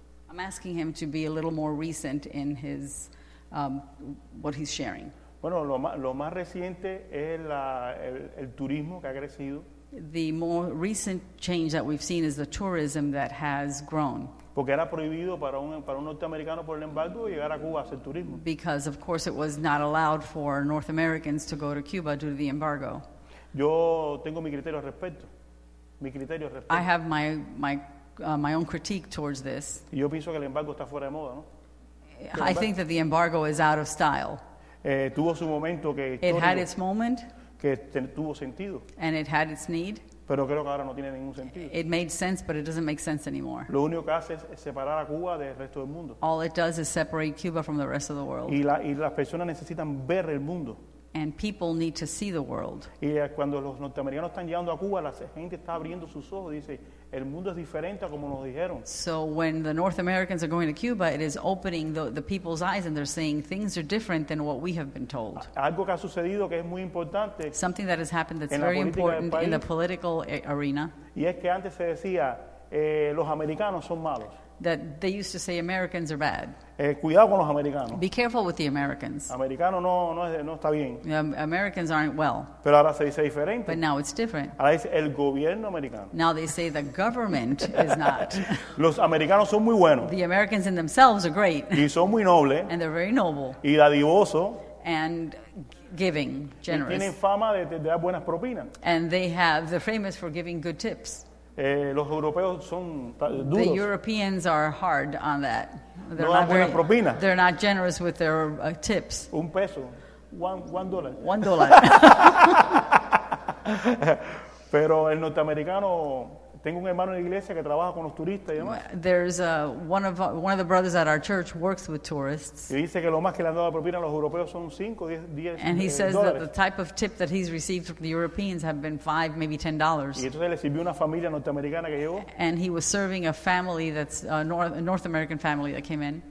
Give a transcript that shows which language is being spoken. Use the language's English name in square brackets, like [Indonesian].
[English] I'm asking him to be a little more recent in his what he's sharing. [Spanish] Bueno, lo más reciente es el turismo que ha crecido. [English] The more recent change that we've seen is the tourism that has grown. [Spanish] Porque era prohibido para un norteamericano por el embargo llegar a Cuba a hacer turismo. [English] Because of course it was not allowed for North Americans to go to Cuba due to the embargo. [Spanish] Yo tengo mi criterio al respecto. Mi criterio al respecto. [English] I have my own critique towards this. [Spanish] Yo pienso que el embargo está fuera de moda, ¿no? [English] I think that the embargo is out of style. [Spanish] Tuvo su momento que histórico. [English] It had its moment. [Spanish] Que tuvo sentido. [English] And it had its need. [Spanish] Pero creo que ahora no tiene ningún sentido. [English] It made sense, but it doesn't make sense anymore. [Spanish] Lo único que hace es separar a Cuba del resto del mundo. [English] All it does is separate Cuba from the rest of the world. [Spanish] Y las personas necesitan ver el mundo. [English] And people need to see the world. [Spanish] Y cuando los norteamericanos están llegando a Cuba, la gente está abriendo sus ojos y dice, el mundo es diferente a como nos dijeron. [English] So when the North Americans are going to Cuba, it is opening the people's eyes and they're saying things are different than what we have been told. [Spanish] Algo que ha sucedido que es muy importante. [English] Something that has happened that's very important in the political arena. [Spanish] Y es que antes se decía, los americanos son malos. [English] That they used to say Americans are bad. [Spanish] Cuidado con los americanos. [English] Be careful with the Americans. [Spanish] Americano no está bien. [English] Americans aren't well. [Spanish] Pero ahora se dice diferente. [English] But now it's different. [Spanish] Ahora dice el gobierno americano. [English] Now they say the government is not. [Spanish] Los americanos son muy buenos. [English] The Americans in themselves are great. [Spanish] Y son muy nobles. [English] And they're very noble. [Spanish] Y dadivoso. [English] And giving, generous. [Spanish] Y tienen fama de dar buenas propinas. [English] And they're famous for giving good tips. [Spanish] Los europeos son duros. [English] The Europeans are hard on that. They're [Spanish] no dan buenas propinas. [English] They're not generous with their tips. [Spanish] Un peso. $1. [English] $1. [Spanish] Pero el norteamericano, tengo un hermano en la iglesia que trabaja con los turistas y demás. [English] There's one of the brothers at our church works with tourists. [Spanish] Y dice que lo más que le han dado propina a los europeos son 5, 10 dólares. [English] And he says that the type of tip that he's received from the Europeans have been 5, maybe $10. [Spanish] Y entonces le sirvió una familia norteamericana que llegó. [English] And he was serving a family that's a North American family that came in.